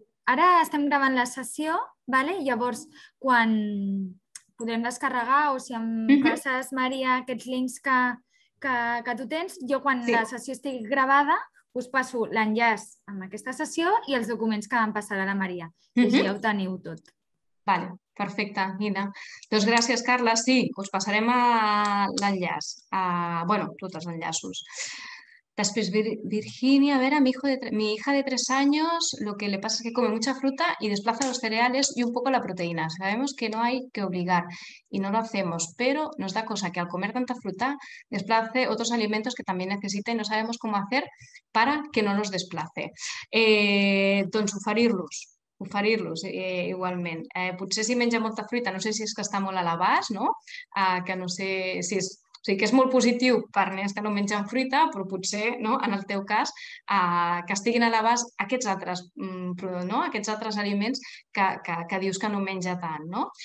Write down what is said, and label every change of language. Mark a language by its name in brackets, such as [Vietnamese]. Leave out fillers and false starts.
[Catalan] Ara estem gravant la sessió, vale? Llavors, quan podrem descarregar o si em passes, Maria, aquests links que tu tens, jo quan sí. La sessió estigui gravada us passo l'enllaç amb aquesta sessió i els documents que van passar a la Maria. I ja ho teniu tot. Vale, perfecte, Nina. Doncs gràcies, Carla. Sí, us passarem a l'enllaç. Bueno, tots els enllaços. [Spanish] Después, Virginia, a ver, a mi hija de 3 años, lo que le pasa es que come mucha fruta y desplaza los cereales y un poco la proteína. Sabemos que no hay que obligar y no lo hacemos, pero nos da cosa que al comer tanta fruta desplace otros alimentos que también necesita y no sabemos cómo hacer para que no los desplace. [Catalan] Entonces, oferir-los igualment. Potser si menja molta fruita, no sé si és que està molt a l'abast, no? Que no sé si és... O sigui, que és molt positiu per nens que no mengen fruita, però potser, no, en el teu cas, que estiguin a l'abast aquests altres, no, aquests altres aliments que dius que no menja tant. No?